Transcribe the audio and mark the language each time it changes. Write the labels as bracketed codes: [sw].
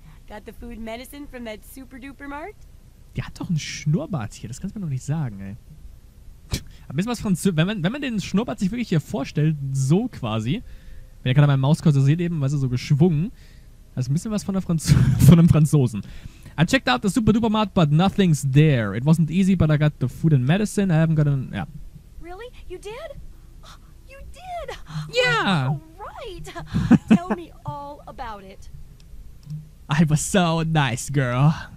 [en] Got the food medicine from that super-duper mart? [de] Die hat doch einen Schnurrbart hier, das kannst du mir noch nicht sagen, ey. Wenn man den Schnurrbart sich wirklich hier vorstellt, so quasi, wenn ihr gerade meinen Mauskursor seht eben, weil sie so geschwungen, das ist ein bisschen was von, von einem Franzosen. [en] I checked out the super duper mart, but nothing's there. It wasn't easy, but I got the food and medicine. I haven't got an... Yeah. Really? You did? You did? Yeah! Alright! Tell me all about it. I was so nice, girl.